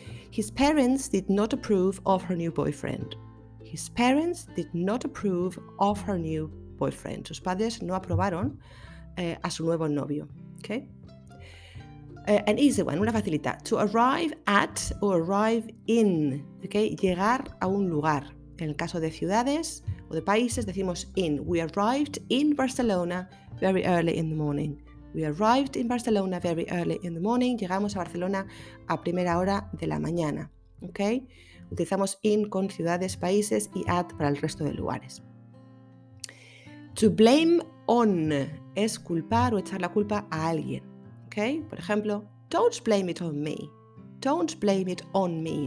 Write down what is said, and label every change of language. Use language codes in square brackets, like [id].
[en] His parents did not approve of her new boyfriend. His parents did not approve of her new boyfriend. [es] Sus padres no aprobaron a su nuevo novio. [en] Okay? An easy one, [es] una facilita. [en] To arrive at o arrive in. Okay? [es] Llegar a un lugar. En el caso de ciudades o de países decimos in. [en] We arrived in Barcelona very early in the morning. We arrived in Barcelona very early in the morning. [es] Llegamos a Barcelona a primera hora de la mañana. Okay? Utilizamos in con ciudades, países y at para el resto de lugares. [en] To blame on [es] es culpar o echar la culpa a alguien. Okay? Por ejemplo, [en] don't blame it on me. Don't blame it on me.